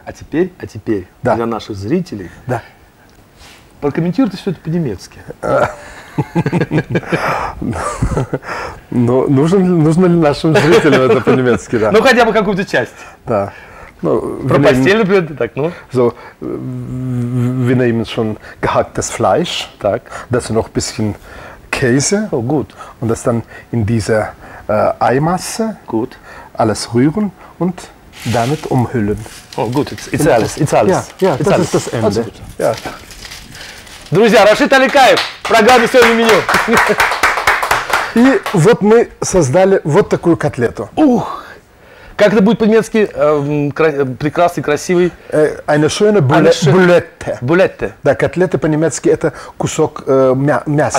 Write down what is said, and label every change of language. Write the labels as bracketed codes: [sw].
[ru] А теперь да. Для наших зрителей. Да. Прокомментируй ты все это по-немецки. Ну, нужно ли нашим зрителям это по-немецки, да? Ну, хотя бы какую-то часть. Да. Ну, про постель, например, так, ну. [de] So, wir nehmen schon gehacktes Fleisch. [ru] Так. [de] Dazu noch ein bisschen Käse. Oh, gut. Und das dann in dieser Eimasse. Gut. Alles rühren und damit umhüllen. Oh, gut. It's alles. Ja, [en] yeah, yeah, [de] das alles. Ist das Ende. Ja. [ru] Друзья, Рашид Аликаев, программа «Сегодня меню». И вот мы создали вот такую котлету. Ух! Как это будет по-немецки? Прекрасный, красивый. [de] Eine schöne Bulette. Bulette. [ru] Да, котлеты по-немецки это кусок мяса.